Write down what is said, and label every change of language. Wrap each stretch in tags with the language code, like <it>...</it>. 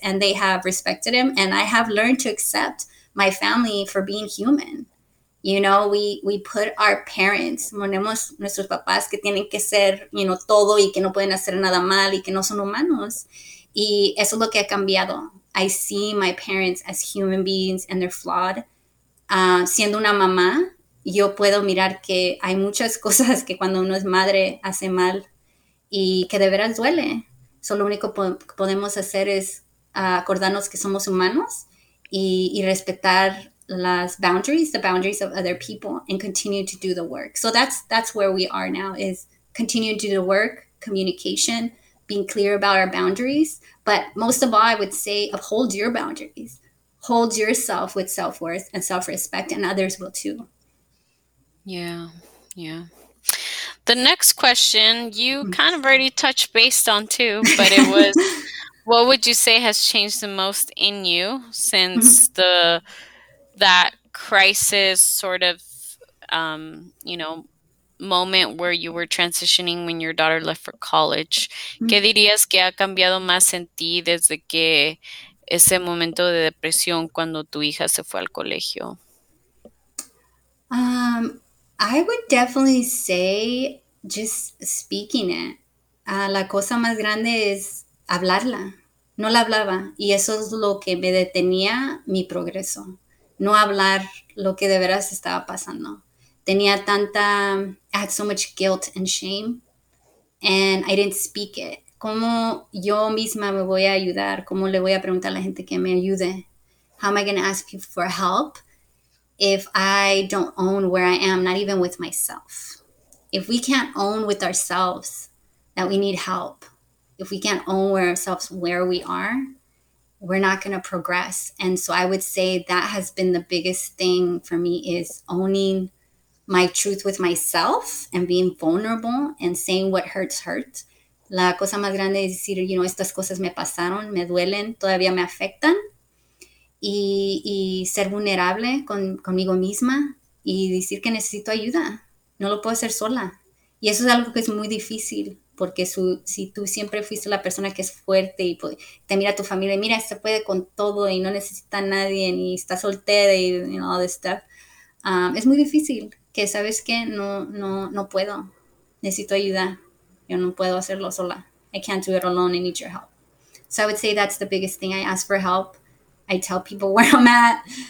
<en>And they have respected them. And I have learned to accept my family for being human. You know, we put our parents,</en> <es>ponemos nuestros papás que tienen que ser, you know, todo y que no pueden hacer nada mal y que no son humanos. Y eso es lo que ha cambiado.</es> <en>I see my parents as human beings and they're flawed.</en> <es>Siendo una mamá, yo puedo mirar que hay muchas cosas que cuando uno es madre hace mal y que de veras duele. So lo único que podemos hacer es acordarnos que somos humanos y respetar las boundaries,</es> <en>the boundaries of other people, and continue to do the work. So that's where we are now, is continue to do the work, communication, being clear about our boundaries. But most of all, I would say uphold your boundaries. Hold yourself with self-worth and self-respect, and others will too. Yeah. The next question, you kind of already touched base on too, but it was, what would you say has changed the most in you since that crisis sort of, you know, moment where you were transitioning when your daughter left for college?</en> <es>¿Qué dirías que ha cambiado más en ti desde que ese momento de depresión cuando tu hija se fue al colegio?</es> <en>I would definitely say just speaking it.</en> <es>La cosa más grande es hablarla. No la hablaba. Y eso es lo que me detenía mi progreso. No hablar lo que de veras estaba pasando. Tenía tanta,</es> <en>I had so much guilt and shame, and I didn't speak it.</en> <es>¿Cómo yo misma me voy a ayudar? ¿Cómo le voy a preguntar a la gente que me ayude?</es> <en>How am I going to ask people for help if I don't own where I am, not even with myself? If we can't own with ourselves that we need help, if we can't own with ourselves where we are, we're not going to progress. And so I would say that has been the biggest thing for me, is owning my truth with myself and being vulnerable and saying what hurts.</en> <es>La cosa más grande es decir, you know, estas cosas me pasaron, me duelen, todavía me afectan. Y ser vulnerable conmigo misma y decir que necesito ayuda. No lo puedo hacer sola. Y eso es algo que es muy difícil. Porque si tú siempre fuiste la persona que es fuerte y te mira a tu familia, mira, se puede con todo y no necesita a nadie y está soltera y you know,</es> <en>all this stuff.</en> <es>Es muy difícil, que sabes que no puedo. Necesito ayuda. Yo no puedo hacerlo sola.</es> <en>I can't do it alone. I need your help. So I would say that's the biggest thing. I ask for help. I tell people where I'm at.</en>